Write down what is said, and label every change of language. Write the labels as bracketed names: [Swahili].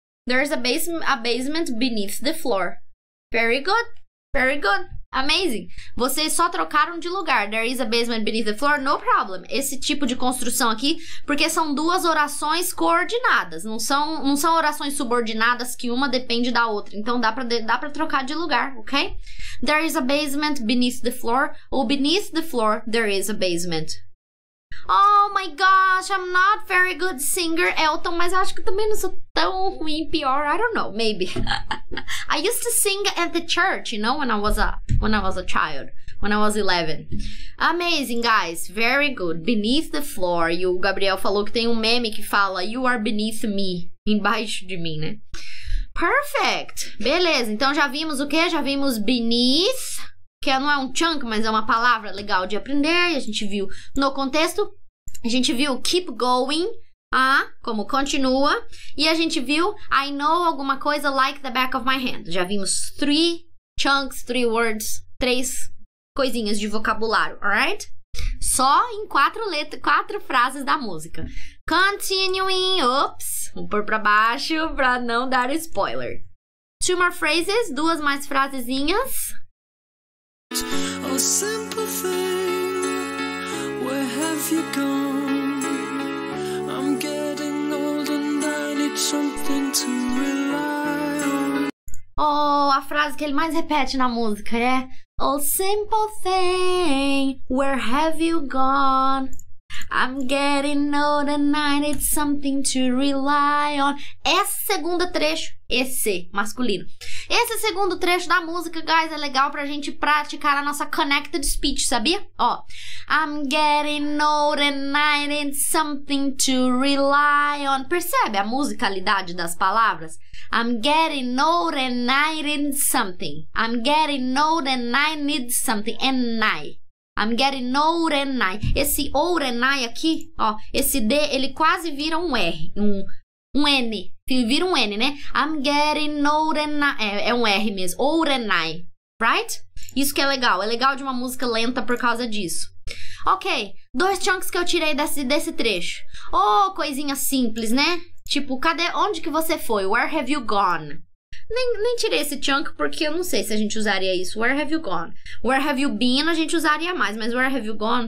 [English] There is a basement beneath the floor. Very good. Amazing. [Portuguese] Vocês só trocaram de lugar. [English] There is a basement beneath the floor. No problem. [Portuguese] Esse tipo de construção aqui, porque são duas orações coordenadas. Não são orações subordinadas que uma depende da outra. Então, dá pra trocar de lugar, ok? [English] There is a basement beneath the floor. Ou beneath the floor, there is a basement. Oh my gosh, I'm not very good singer, Elton, [Portuguese] mas acho que também não sou tão ruim, pior, [English] I don't know, maybe. I used to sing at the church, you know, when I was a child, when I was 11. Amazing, guys, very good. Beneath the floor, [Portuguese] e o Gabriel falou que tem um meme que fala, [English] you are beneath me, [Portuguese] embaixo de mim, né? Perfect, beleza, então já vimos o quê? Já vimos beneath... Que não é um chunk, mas é uma palavra legal de aprender. E a gente viu no contexto. A gente viu keep going. Como continua. E a gente viu I know alguma coisa [English] like the back of my hand. [Portuguese] Já vimos [English] three chunks, three words. [Portuguese] Três coisinhas de vocabulário, alright? Só em quatro frases da música. Continuing. Ops. Vou pôr pra baixo pra não dar spoiler. Two more phrases. Duas mais frasezinhas. [English] Oh, simple thing, where have you gone? I'm getting old and I need something to rely on. [Portuguese] Oh, a frase que ele mais repete na música é [English] Oh, simple thing, where have you gone? I'm getting old and I need something to rely on. [Portuguese] Esse segundo trecho, esse masculino. Esse segundo trecho da música, guys, é legal pra gente praticar a nossa connected speech, sabia? Ó. [English] I'm getting old and I need something to rely on. [Portuguese] Percebe a musicalidade das palavras? [English] I'm getting old and I need something. I'm getting old and I need something. And I. I'm getting old and I. Esse old and I aqui, ó. [Portuguese] Esse D, ele quase vira um R. Um N. Vira um N, né? [English] I'm getting old and I. [Portuguese] É um R mesmo. [English] Old and I. Right? [Portuguese] Isso que é legal. É legal de uma música lenta por causa disso. Ok. Dois chunks que eu tirei desse trecho. Oh, coisinha simples, né? Tipo, cadê? Onde que você foi? [English] Where have you gone? [Portuguese] Nem tirei esse chunk porque eu não sei se a gente usaria isso. [English] Where have you gone? Where have you been? [Portuguese] A gente usaria mais, mas [English] where have you gone?